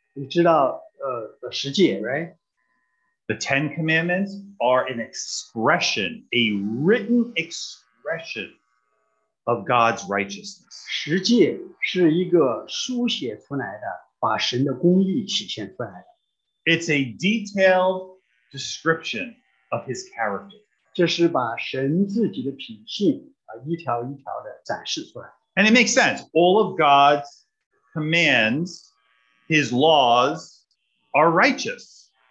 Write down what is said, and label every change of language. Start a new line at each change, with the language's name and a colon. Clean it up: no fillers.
Chinese: 你知道，十诫,
English: right? The Ten Commandments are an expression, a written expression of God's righteousness.
Chinese: 十诫是一个书写出来的，把神的公义体现出来的。
English: It's a detailed description of His character.
Chinese: 这是把神自己的品性一条一条的展示出来。
English: And it makes sense. All of God's commands, His laws are righteous.